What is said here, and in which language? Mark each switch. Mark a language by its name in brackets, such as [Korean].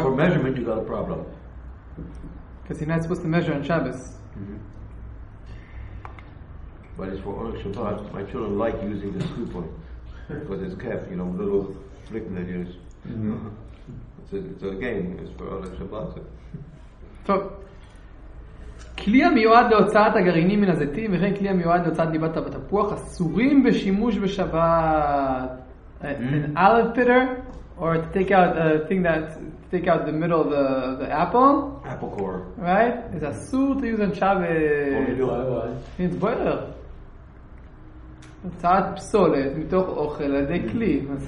[English] for measurement, you got a problem. Because you're not supposed to measure on Shabbos. Mm-hmm. But it's for Oleg Shabbat. My children like using the scooper because it's kept, you know, little flick that you use. It's a game. It's for Oleg Shabbat. [Hebrew] So, כלי המיועד להוצאת הגרעינים מן הזיתים וכן כלי המיועד להוצאת דיבת התפוח אסורים בשימוש בשבת. [English] An olive pitter or to take out a thing that take out the middle of the apple. Apple core. Right? It's אסור to use on Shabbat. It's boiler. [Hebrew] הוצאת פסולת מתוך אוכל על ידי כלי.